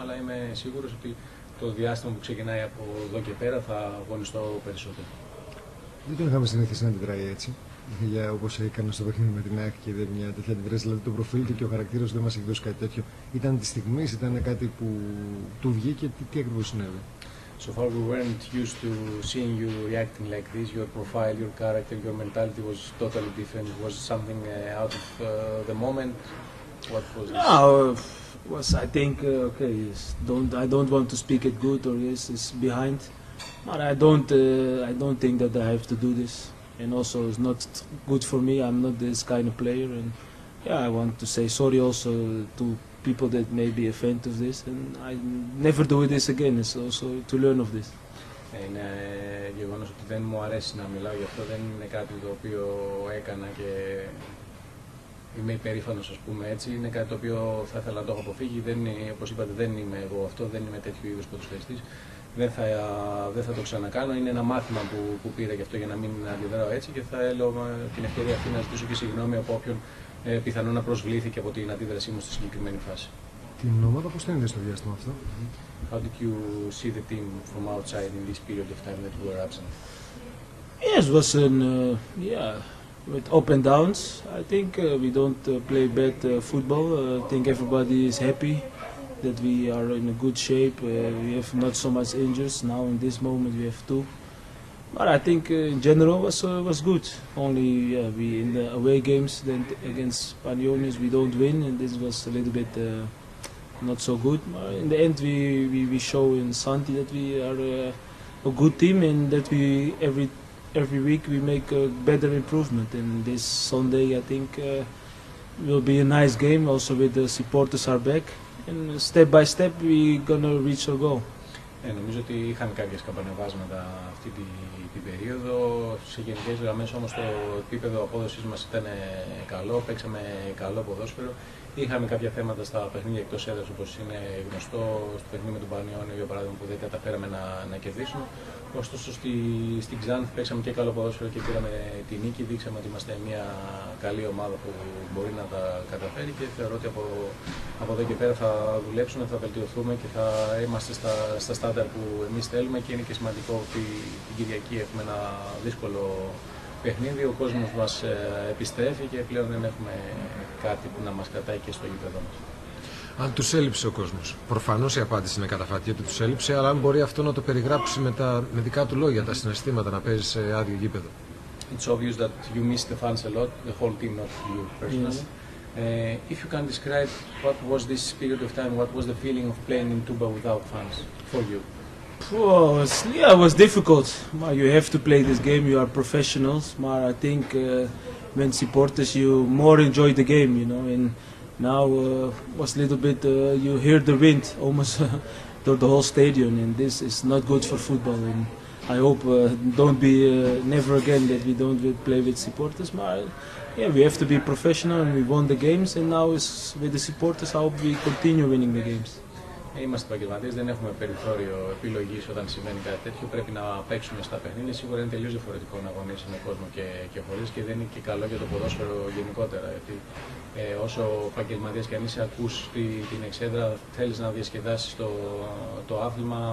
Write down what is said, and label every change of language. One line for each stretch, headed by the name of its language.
Greek: Αλλά είμαι σίγουρος ότι το διάστημα που ξεκινάει από εδώ και πέρα θα αγωνιστώ περισσότερο. Δεν τον είχαμε συνηθίσει να την τράει έτσι, όπως έκανε στο παιχνίδι με την ΑΕΚ και δεν μια τέτοια αντιδράση. Δηλαδή, το προφίλ του και ο χαρακτήρας δεν μας έχει δώσει κάτι τέτοιο. Ήταν τη στιγμή, ήταν κάτι που του βγήκε, τι ακριβώς συνέβη.
English: So far we weren't used to seeing you reacting like this. Your profile, your character, your mentality was totally different. It was something out of the moment. What was it? No, I think, okay, yes. I don't want to speak it good or yes, it's behind. But I don't think that I have to do this. And also, it's not good for me. I'm not this kind of player. And yeah, I want to say sorry also to people that may be offended of this. And I never do this again. It's also to learn of this.
Greek: Είναι γεγονός ότι δεν μου αρέσει να μιλάω γι' αυτό. Δεν είναι κάτι το οποίο έκανα και είμαι υπερήφανος, ας πούμε έτσι. Είναι κάτι το οποίο θα ήθελα να το έχω αποφύγει. Όπως είπατε, δεν είμαι εγώ αυτό. Δεν είμαι τέτοιου είδους ποδοσφαιριστής. Δεν θα το ξανακάνω. Είναι ένα μάθημα που πήρα γι' αυτό για να μην αντιδράω έτσι και θα έλεγα την ευκαιρία αυτή να ζητήσω και συγγνώμη από όποιον πιθανόν να προσβλήθηκε από την αντίδρασή μου στη συγκεκριμένη φάση. Την ομάδα πώς την είδες στο διάστημα αυτό?
English: How did you see the team from outside in this period of time that you were absent? Yes, it was with up and downs. I think we don't play bad football. I think everybody is happy that we are in a good shape. We have not so much injuries now in this moment. We have two, but I think in general was good. Only we in the away games then against Panionios we don't win, and this was a little bit not so good. But in the end we show in Santi that we are a good team and that we every week we make a better improvement. And this Sunday I think will be a nice game also with the supporters are back. And step by step we gonna reach our goal.
Greek: Νομίζω ότι είχαμε κάποια σκαμπανεβάσματα αυτή την περίοδο. Σε γενικές γραμμές όμως το επίπεδο απόδοσης μας ήταν καλό. Παίξαμε καλό ποδόσφαιρο. Είχαμε κάποια θέματα στα παιχνίδια εκτός έδρας, όπως είναι γνωστό, στο παιχνίδι με τον Πανιόνιο για παράδειγμα, που δεν καταφέραμε να κερδίσουμε. Ωστόσο, στην Ξάνθ παίξαμε και καλό ποδόσφαιρο και πήραμε τη νίκη. Δείξαμε ότι είμαστε μια καλή ομάδα που μπορεί να τα καταφέρει και θεωρώ ότι από εδώ και πέρα θα δουλέψουμε, θα βελτιωθούμε και θα είμαστε στα στάνταρ που εμείς θέλουμε. Και είναι και σημαντικό ότι την Κυριακή έχουμε ένα δύσκολο παιχνίδι. Ο κόσμος μας επιστρέφει και πλέον δεν έχουμε κάτι που να μας κρατάει και στο γήπεδό μας. Αν τους έλειψε ο κόσμος, προφανώς η απάντηση είναι καταφατή ότι τους έλειψε, αλλά αν μπορεί αυτό να το περιγράψει με δικά του λόγια, τα συναισθήματα να παίζει σε άδειο γήπεδο.
English: It's obvious that you miss the fans a lot, the whole team, not you personally. If you can describe what was this period of time, what was the feeling of playing in Tuba without fans for you? Well, yeah, it was difficult. You have to play this game, you are professionals, but I think when supporters you more enjoy the game, you know. And now was a little bit you hear the wind almost through the whole stadium, and this is not good for football. And I hope don't be never again that we don't play with supporters. But we have to be professional, and we won the games, and now is with the supporters. I hope we continue winning the games.
Greek: Είμαστε επαγγελματίες, δεν έχουμε περιθώριο επιλογής όταν συμβαίνει κάτι τέτοιο. Πρέπει να παίξουμε στα παιχνίδια. Σίγουρα είναι τελείως διαφορετικό να αγωνίσει με κόσμο και χωρίς, και δεν είναι και καλό για το ποδόσφαιρο γενικότερα. Γιατί όσο επαγγελματίας και αν είσαι, ακούς την εξέδρα, θέλεις να διασκεδάσεις το άθλημα.